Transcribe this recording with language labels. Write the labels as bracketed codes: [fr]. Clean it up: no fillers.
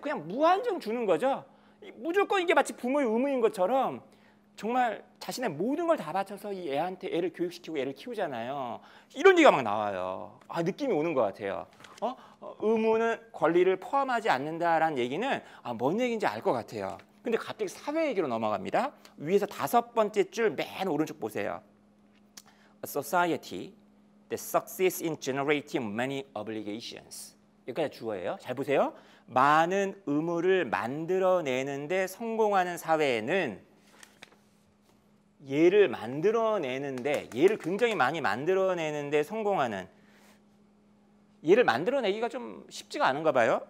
[ko] 그냥 무한정 주는 거죠. 무조건 이게 마치 부모의 의무인 것처럼 정말 자신의 모든 걸 다 바쳐서 이 애한테 애를 교육시키고 애를 키우잖아요. 이런 얘기가 막 나와요. 아, 느낌이 오는 것 같아요. 의무는 권리를 포함하지 않는다라는 얘기는 뭔 얘기인지 알 것 같아요. 근데 갑자기 사회 얘기로 넘어갑니다. 위에서 다섯 번째 줄 맨 오른쪽 보세요. [en] A society that succeeds in generating many obligations. [ko] 여기까지 주어예요. 잘 보세요. 많은 의무를 만들어내는데 성공하는 사회에는 얘를 만들어내는데 얘를 굉장히 많이 만들어내는데 성공하는 얘를 만들어내기가 좀 쉽지가 않은가 봐요.